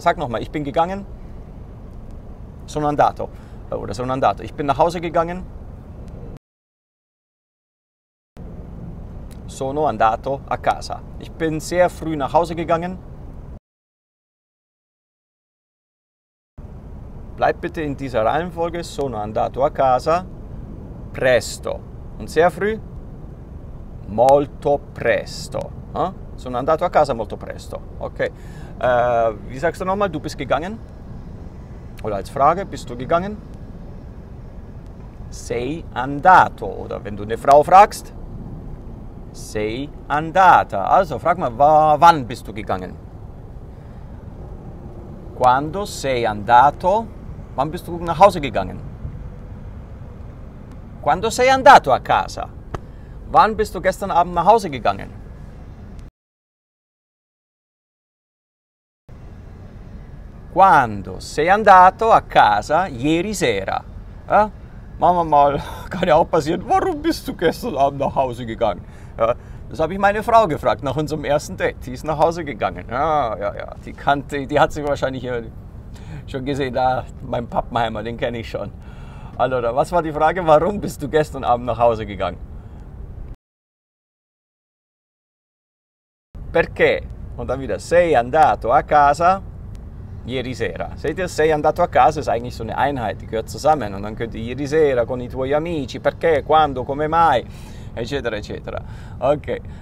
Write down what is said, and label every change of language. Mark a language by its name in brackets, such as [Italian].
[German] Sag nochmal, ich bin gegangen. [Italian] Sono andato. [German] Oder [Italian] sono andato. [German] Ich bin nach Hause gegangen. [Italian] Sono andato a casa. [German] Ich bin sehr früh nach Hause gegangen. Bleib bitte in dieser Reihenfolge. [Italian] Sono andato a casa presto. [German] Und sehr früh? [Italian] Molto presto. Sono andato a casa molto presto. [English] Okay. [German] Wie sagst du nochmal? Du bist gegangen? Oder als Frage, bist du gegangen? [Italian] Sei andato. [German] Oder wenn du eine Frau fragst, [Italian] sei andata. [German] Also, frag mal, wann bist du gegangen? [Italian] Quando sei andato? [German] Wann bist du nach Hause gegangen? [Italian] Quando sei andato a casa? [German] Wann bist du gestern Abend nach Hause gegangen? [Italian] Quando sei andato a casa ieri sera? [German] Mama mal, kann ja auch passieren. Warum bist du gestern Abend nach Hause gegangen? Ja, das habe ich meine Frau gefragt nach unserem ersten Date. Die ist nach Hause gegangen. Ja, ja, ja. Die kannte, die hat sich wahrscheinlich schon gesehen. Da, mein Pappenheimer, den kenne ich schon. Also, was war die Frage? Warum bist du gestern Abend nach Hause gegangen? [Italian] Perché? [German] Und dann wieder. [Italian] Sei andato a casa ieri sera. [German] Seht ihr, [Italian] sei andato a casa [German] ist eigentlich so eine Einheit, die gehört zusammen. Und dann könnt ihr [Italian] ieri sera con i tuoi amici, perché, quando, come mai, eccetera, eccetera. [German] Okay.